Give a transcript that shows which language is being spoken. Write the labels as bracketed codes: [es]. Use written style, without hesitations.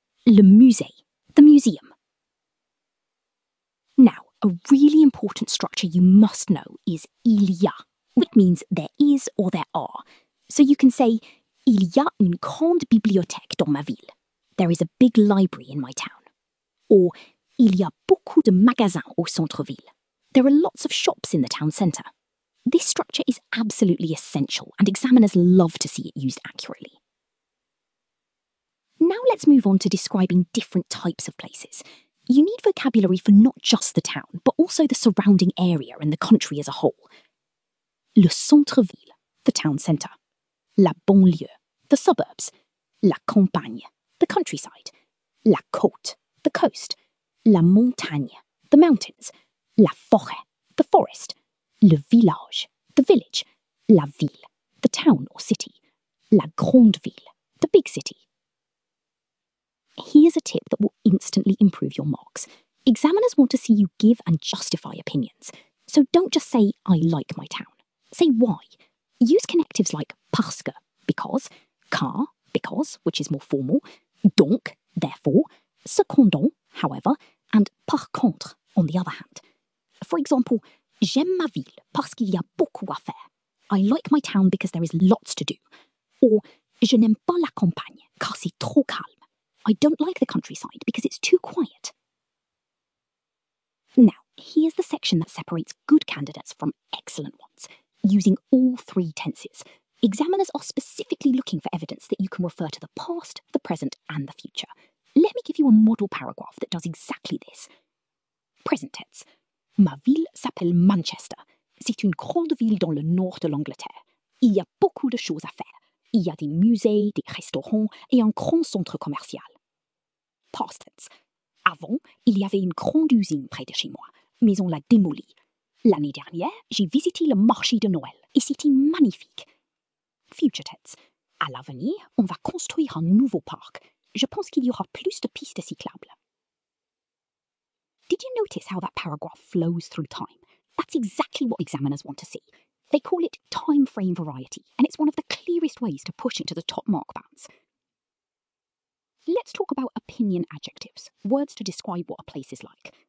[fr] Le musée, [en] the museum. Now, a really important structure you must know is il y a, which means there is or there are. So you can say, [fr] il y a une grande bibliothèque dans ma ville. [en] There is a big library in my town. [fr] Or, il y a beaucoup de magasins au centre-ville. [en] There are lots of shops in the town centre. This structure is absolutely essential and examiners love to see it used accurately. Now let's move on to describing different types of places. You need vocabulary for not just the town, but also the surrounding area and the country as a whole. [fr] Le centre-ville, [en] the town centre. [fr] La banlieue, [en] the suburbs. [fr] La campagne, [en] the countryside. [fr] La côte, [en] the coast. [fr] La montagne, [en] the mountains. [fr] La forêt, [en] the forest. [fr] Le village, [en] the village. [fr] La ville, [en] the town or city. [fr] La grande ville, [en] the big city. Here's a tip that will instantly improve your marks. Examiners want to see you give and justify opinions. So don't just say, I like my town. Say why. Use connectives like parce que, because, car, because, which is more formal, donc, therefore, cependant, however, and par contre, on the other hand. For example, [fr] j'aime ma ville parce qu'il y a beaucoup à faire. [en] I like my town because there is lots to do. [fr] Or, je n'aime pas la campagne car c'est trop calme. [en] I don't like the countryside because it's too quiet. Now, here's the section that separates good candidates from excellent ones, using all three tenses. Examiners are specifically looking for evidence that you can refer to the past, the present, and the future. Let me give you a model paragraph that does exactly this. Present tense. [fr] Ma ville s'appelle Manchester. C'est une grande ville dans le nord de l'Angleterre. Il y a beaucoup de choses à faire. Il y a des musées, des restaurants et un grand centre commercial. [en] Past tense. [fr] Avant, il y avait une grande usine près de chez moi, mais on l'a démolie. L'année dernière, j'ai visité le marché de Noël et c'était magnifique. [en] Future tense. [fr] À l'avenir, on va construire un nouveau parc. Je pense qu'il y aura plus de pistes cyclables. [en] Did you notice how that paragraph flows through time? That's exactly what examiners want to see. They call it time frame variety, and it's one of the clearest ways to push into the top mark bands. Let's talk about opinion adjectives, words to describe what a place is like.